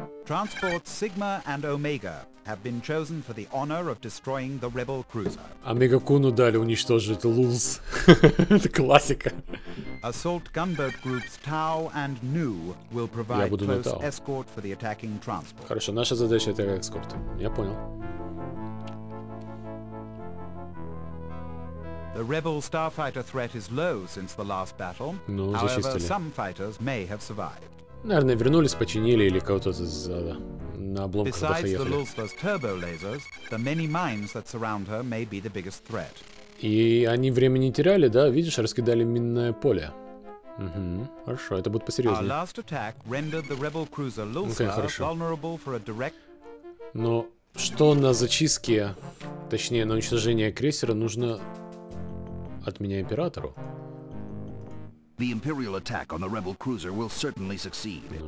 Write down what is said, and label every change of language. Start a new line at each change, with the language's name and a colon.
English: Transports Sigma and Omega have been chosen for the honor of destroying the rebel cruiser.
Russian: Омега Куну дали уничтожить Лулс. Это классика.
English: Assault gunboat groups Tau and Nu will provide close escort for the attacking transport.
Russian: Хорошо, наша задача это эскорт. Я понял.
English: The rebel starfighter threat is low since the last battle.
Russian: Ну, зачистили.
English: However, some fighters may have survived.
Russian: Наверное, вернулись, починили или кого-то на обломках заехали. И они времени не теряли, да? Видишь, раскидали минное поле. Угу, хорошо, это будет посерьезнее. Окей, хорошо. Но что на зачистке, точнее, на уничтожение крейсера нужно от меня императору?
English: The Imperial attack on the Rebel cruiser will certainly succeed.